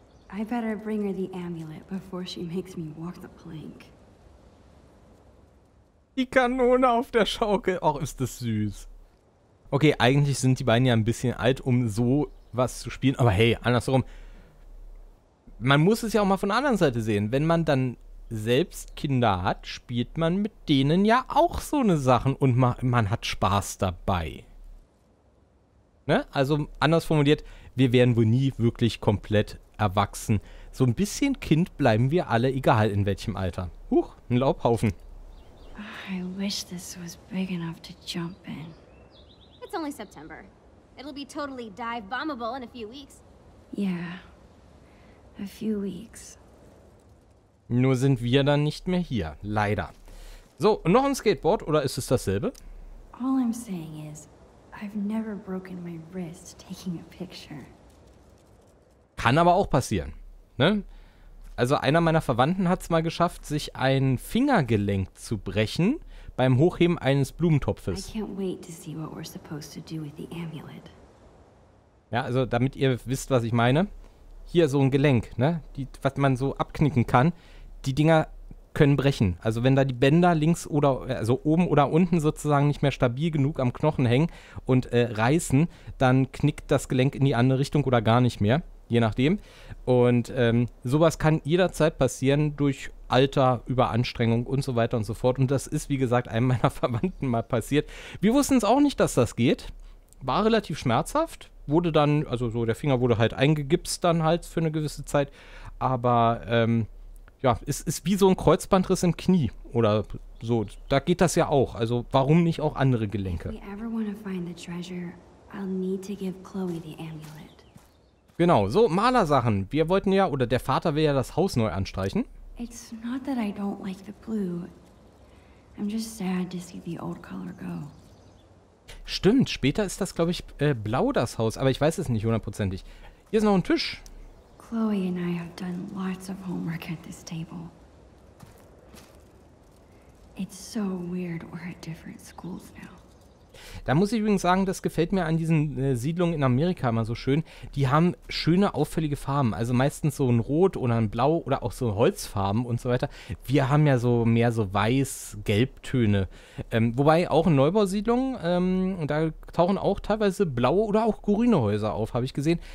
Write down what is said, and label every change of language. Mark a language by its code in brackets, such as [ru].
[en] I better bring her the amulet before she makes me walk the plank. [de] Die Kanone auf der Schaukel. Och, ist das süß. Okay, eigentlich sind die beiden ja ein bisschen alt, um so was zu spielen. Aber hey, andersherum. Man muss es ja auch mal von der anderen Seite sehen. Wenn man dann selbst Kinder hat, spielt man mit denen ja auch so eine Sachen und man hat Spaß dabei. Ne? Also anders formuliert, wir werden wohl nie wirklich komplett erwachsen. So ein bisschen Kind bleiben wir alle, egal in welchem Alter. Huch, ein Laubhaufen. [en] I wish this was big enough to jump in. It's only September. It'll be totally dive bombable in a few weeks. Yeah. A few weeks. [de] Nur sind wir dann nicht mehr hier. Leider. So, noch ein Skateboard oder ist es dasselbe? [en] All I'm saying is, I've never broken my wrist taking a picture. [de] Kann aber auch passieren, ne? Also einer meiner Verwandten hat es mal geschafft, sich ein Fingergelenk zu brechen beim Hochheben eines Blumentopfes. [en] I can't wait to see what we're supposed to do with the amulet. [de] Ja, also damit ihr wisst, was ich meine. Hier so ein Gelenk, ne? Was man so abknicken kann. Die Dinger können brechen. Also wenn da die Bänder links oder also oben oder unten sozusagen nicht mehr stabil genug am Knochen hängen und reißen, dann knickt das Gelenk in die andere Richtung oder gar nicht mehr, je nachdem. Und sowas kann jederzeit passieren durch Alter, Überanstrengung und so weiter und so fort. Und das ist, wie gesagt, einem meiner Verwandten mal passiert. Wir wussten es auch nicht, dass das geht. War relativ schmerzhaft. Wurde dann, also so der Finger wurde halt eingegipst dann halt für eine gewisse Zeit. Aber ja, es ist wie so ein Kreuzbandriss im Knie oder so. Da geht das ja auch. Also warum nicht auch andere Gelenke? [en] If we ever want to find the treasure, I'll need to give Chloe the amulet. [de] Genau, so Malersachen. Wir wollten ja, oder der Vater will ja das Haus neu anstreichen. [en] It's not that I don't like the blue. I'm just sad to see the old color go. [de] Stimmt, später ist das, glaube ich, blau das Haus, aber ich weiß es nicht hundertprozentig. Hier ist noch ein Tisch. [en] Chloe and I have done lots of homework at this table. It's so weird we're at different schools now. [de] Da muss ich übrigens sagen, das gefällt mir an diesen Siedlungen in Amerika immer so schön. Die haben schöne, auffällige Farben. Also meistens so ein Rot oder ein Blau oder auch so Holzfarben und so weiter. Wir haben ja so mehr so Weiß-Gelbtöne. Wobei auch in Neubausiedlungen, da tauchen auch teilweise blaue oder auch grüne Häuser auf, habe ich gesehen.